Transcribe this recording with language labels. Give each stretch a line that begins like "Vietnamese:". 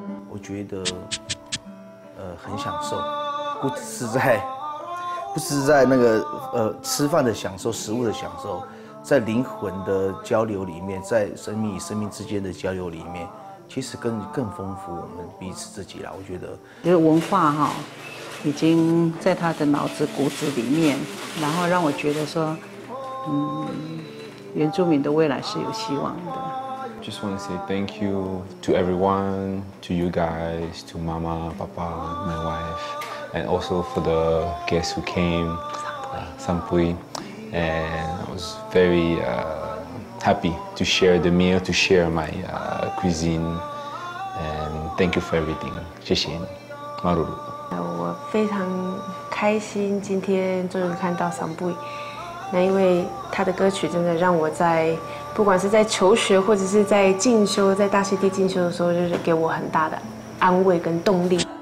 Chinese: 我觉得，很享受，不是在那个吃饭的享受、食物的享受，在灵魂的交流里面，在生命与生命之间的交流里面。其实更丰富我们彼此自己了，我觉得。就是文化哈，已经在他的脑子骨子里面，然后让我觉得说，原住民的未来是有希望的。
English: Just want to say thank you to everyone, to you guys, to Mama, Papa, my wife, and also for the guests who came, Sampui, and I was very. Happy to share the meal, to share my cuisine, and thank you for everything.
Chinese: 谢谢你，马鲁鲁。我非常开心，今天终于看到桑布依。那因为他的歌曲真的让我在，不管是在求学或者是在进修，在大溪地进修的时候，就是给我很大的安慰跟动力。